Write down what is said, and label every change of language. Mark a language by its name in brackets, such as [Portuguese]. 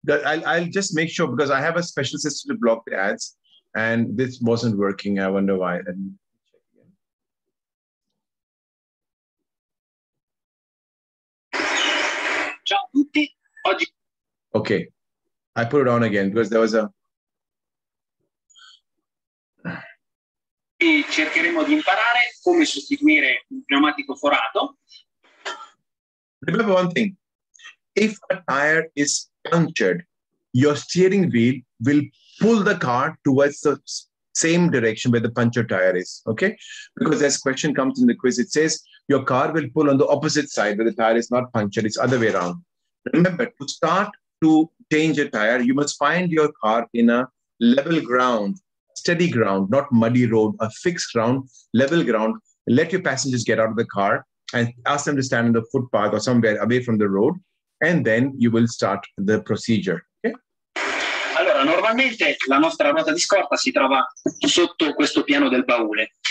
[English] I'll just make sure, because I have a special system to block the ads, and this wasn't working. I wonder why. And check again. Okay. I put it on again because there was a... [Italian] E cercheremo di imparare come sostituire un pneumatico forato. [English] Remember one thing. If a tire is punctured, your steering wheel will pull the car towards the same direction where the punctured tire is, okay? Because this question comes in the quiz. It says your car will pull on the opposite side where the tire is not punctured. It's other way around. Remember, to start to change a tire, you must find your car in a level ground, steady ground, not muddy road, a fixed ground, level ground. Let your passengers get out of the car and ask them to stand on the footpath or somewhere away from the road, and then you will start the procedure. [Italian] Allora, normalmente la nostra ruota di scorta si trova sotto questo piano del baule.